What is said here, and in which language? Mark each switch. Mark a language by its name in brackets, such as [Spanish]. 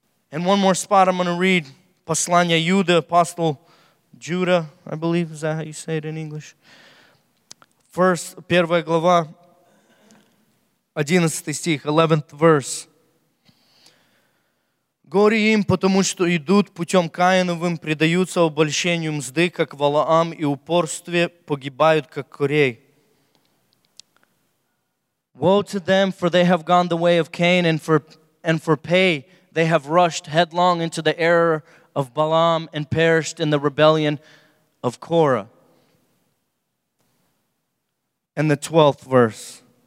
[English] And one more spot I'm going to read. [Russian] Послание Иуды, [English] Apostle Jude, I believe. Is that how you say it in English? First, [Russian] первая глава, 11 стих, [English] 11th verse. [Russian] Горе им, потому что идут путем Каиновым, предаются обольщению мзды, как Валаам, и упорстве погибают, как Корей. [English] Woe to them, for they have gone the way of Cain, and for pay, they have rushed headlong into the error of Balaam and perished in the rebellion of Korah. And the 12th verse.